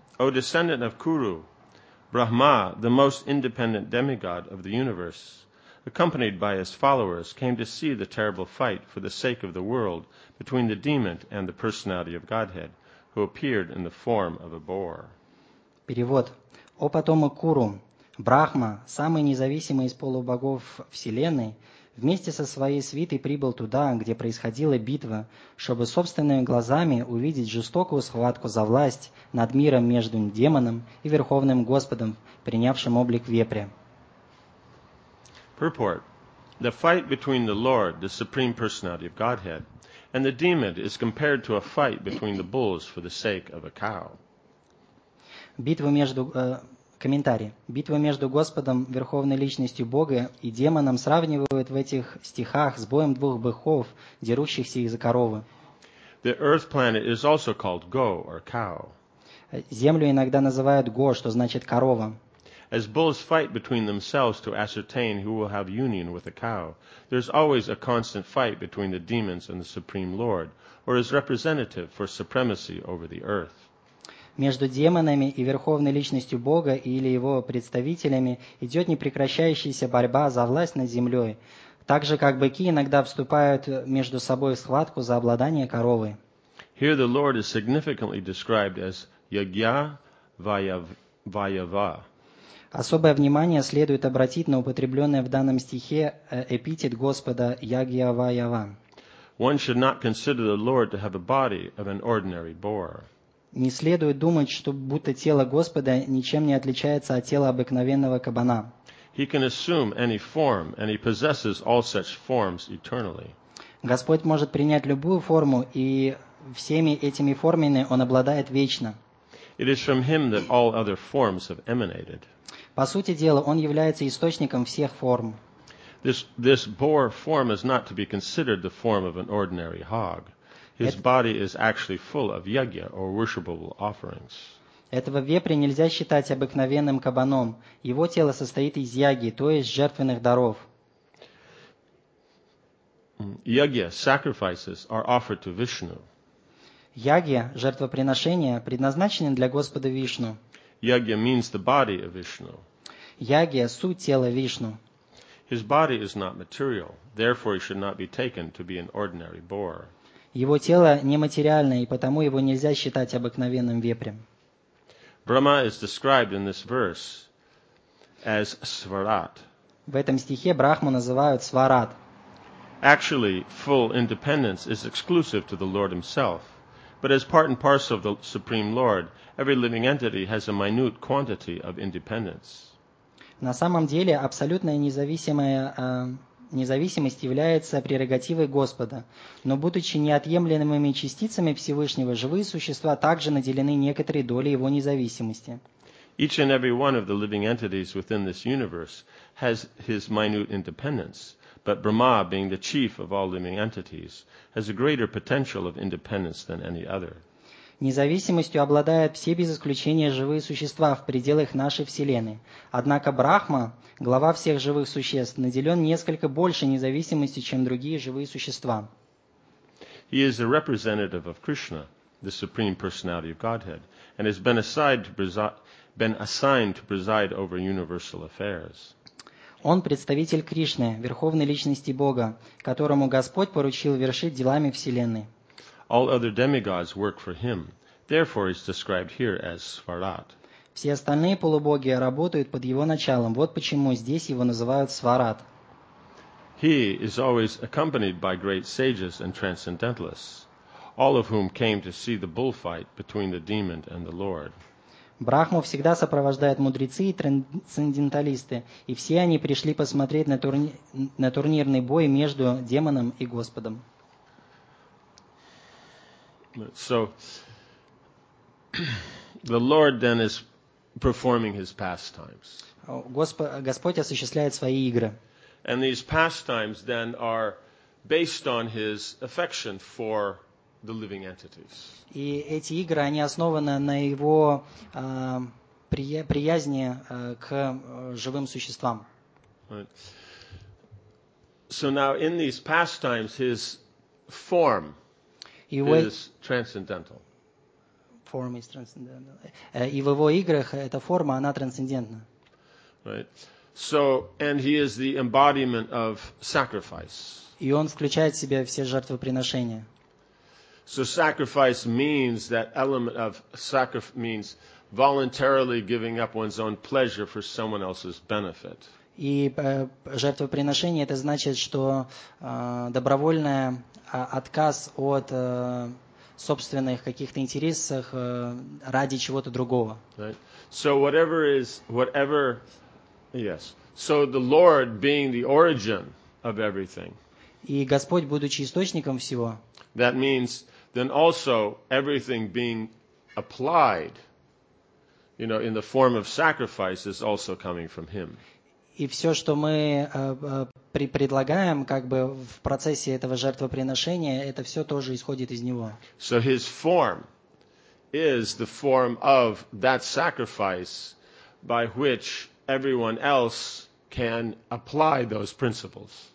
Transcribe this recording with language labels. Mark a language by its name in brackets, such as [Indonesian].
[English] O descendant of Kuru, Brahma, the most independent demigod of the universe, accompanied by his followers, came to see the terrible fight for the sake of the world between the demon and the personality of Godhead, who appeared in the form of a boar. [Russian] Перевод. О потома Куру, Брахма, самый независимый из полубогов Вселенной, вместе со своей свитой прибыл туда, где происходила битва, чтобы собственными глазами увидеть жестокую схватку за власть над миром между демоном и Верховным Господом, принявшим облик вепря. [English] Purport. The fight between the Lord, the Supreme Personality of Godhead, and the demon is compared to a fight between the bulls for the sake of a cow. [Russian] Битва между... Комментарий. Битва между Господом, Верховной Личностью Бога и демоном сравнивают в этих стихах с боем двух быков, дерущихся из-за коровы. [English] The earth planet is also called go or cow. [Russian] Землю иногда называют го, что значит корова. [English] As bulls fight between themselves to ascertain who will have union with a cow, there's always a constant fight between the demons and the Supreme Lord, or his representative for supremacy over the earth. [Russian] Между демонами и верховной личностью Бога или его представителями идет непрекращающаяся борьба за власть над землей, так же, как быки иногда вступают между собой в схватку за обладание коровы. [English] Here the Lord is significantly described as Yagya Vayava. [Russian] Особое внимание следует обратить на употребленное в данном стихе эпитет Господа Yagya Vayava. [English] One should not consider the Lord to have a body of an ordinary boar. [Russian] Не следует думать, что будто тело Господа ничем не отличается от тела обыкновенного кабана. [English] He can assume any form, and he possesses all such forms eternally. [Russian] Господь может принять любую форму, и всеми этими формами он обладает вечно. [English] It is from him that all other forms have emanated. [Russian] По сути дела, он является источником всех форм. [English] This boar form is not to be considered the form of an ordinary hog. His body is actually full of yagya or worshipable offerings. [Russian] Этого вепря нельзя считать обыкновенным кабаном. Его тело состоит из яги, то есть жертвенных даров. [English] Yagya, sacrifices are offered to Vishnu. [Russian] Яги, жертвоприношения, предназначены для Господа Вишну. [English] Yagya means the body of Vishnu. [Russian] Ягья – суть тела Вишну. [English] His body is not material, therefore he should not be taken to be an ordinary boar. [Russian] Его тело нематериальное, и потому его нельзя считать обыкновенным вепрем. [English] Brahma is described in this verse as Svarat. [Russian] В этом стихе Брахму называют Сварат. [English] Actually, full independence is exclusive to the Lord himself. But as part and parcel of the Supreme Lord, every living entity has a minute quantity of independence. [Russian] На самом деле, абсолютная независимость является прерогативой Господа. Но будучи неотъемлемыми частицами Всевышнего, живые существа также наделены некоторой долей его независимости. [English] Each and every one of the living entities within this universe has his minute independence, but Brahma, being the chief of all living entities, has a greater potential of independence than any other. [Russian] Независимостью обладают все без исключения живые существа в пределах нашей Вселенной. Однако Брахма, глава всех живых существ, наделен несколько большей независимостью, чем другие живые существа. [English] He is a representative of Krishna, the Supreme Personality of Godhead, and has been assigned to preside over universal affairs. [Russian] Он представитель Кришны, верховной личности Бога, которому Господь поручил вершить делами Вселенной. [English] All other demigods work for him. Therefore, he's described here as Svarat. [Russian] Все остальные полубоги работают под его началом. Вот почему здесь его называют Сварат. [English] He is always accompanied by great sages and transcendentalists, all of whom came to see the bullfight between the demon and the Lord. [Russian] Брахму всегда сопровождают мудрецы и трансценденталисты, и все они пришли посмотреть на турнирный бой между демоном и Господом. [English] So, the Lord then is performing his pastimes. [Russian] Господь осуществляет свои игры. [English] And these pastimes then are based on his affection for the living entities. [Russian] И эти игры, они основаны на его приязни к живым существам. [English] Right. So now, in these pastimes, his form is transcendental. Form is transcendental. [Russian] И в его играх эта форма, она трансцендентна. [English] Right. So, and he is the embodiment of sacrifice. [Russian] И он включает в себя все жертвоприношения. [English] So sacrifice means that element of sacrifice means voluntarily giving up one's own pleasure for someone else's benefit. [Russian] И жертвоприношение, это значит, что добровольное отказ от собственных каких-то интересов ради чего-то другого. [English] Right. So whatever is, whatever, yes. So the Lord being the origin of everything. [Russian] И Господь, будучи источником всего. [English] That means then also everything being applied, you know, in the form of sacrifice is also coming from him. [Russian] И все, что мы предлагаем, как бы в процессе этого жертвоприношения, это все тоже исходит из него. [English] So his form is the form of that sacrifice by which everyone else can apply those principles.